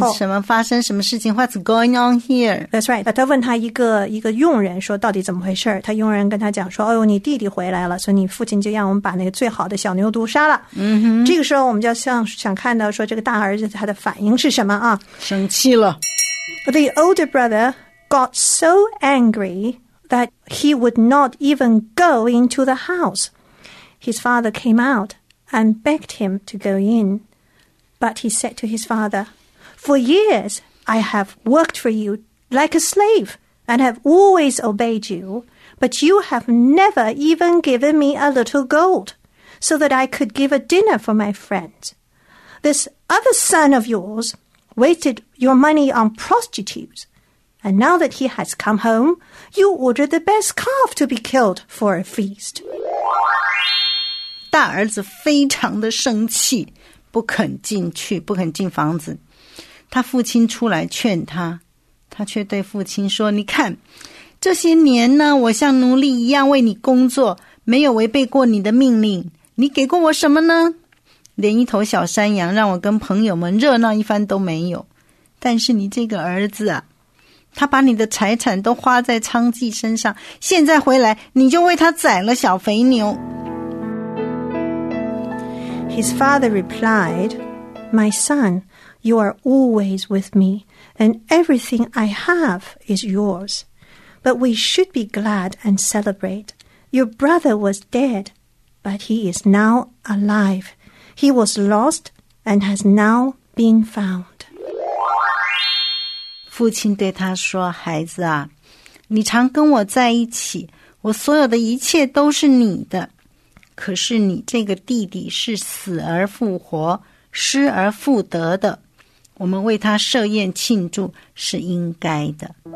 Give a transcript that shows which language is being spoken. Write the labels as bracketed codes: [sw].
[zh] 他问什么发生什么事情 ？ [en] What's going on here? That's right. [zh] 他问他一个佣人说到底怎么回事，他佣人跟他讲说，哦呦，你弟弟回来了，所以你父亲就让我们把那个最好的小牛犊杀了。这个时候我们就想看到说这个大儿子他的反应是什么啊？生气了。 [en] The older brother got so angry that he would not even go into the house. His father came out. And begged him to go in. But he said to his father, For years, I have worked for you like a slave and have always obeyed you. But you have never even given me a little gold so that I could give a dinner for my friends. This other son of yours wasted your money on prostitutes. And now that he has come home, you order the best calf to be killed for a feast. [zh] 大儿子非常的生气，不肯进去，不肯进房子。他父亲出来劝他，他却对父亲说，你看，这些年呢，我像奴隶一样为你工作，没有违背过你的命令，你给过我什么呢？连一头小山羊让我跟朋友们热闹一番都没有。但是你这个儿子啊，他把你的财产都花在娼妓身上，现在回来，你就为他宰了小肥牛。 [en] His father replied, My son, you are always with me, and everything I have is yours. But we should be glad and celebrate. Your brother was dead, but he is now alive. He was lost and has now been found. [zh] 父亲对他说，孩子啊，你常跟我在一起，我所有的一切都是你的。可是你这个弟弟是死而复活，失而复得的，我们为他设宴庆祝是应该的。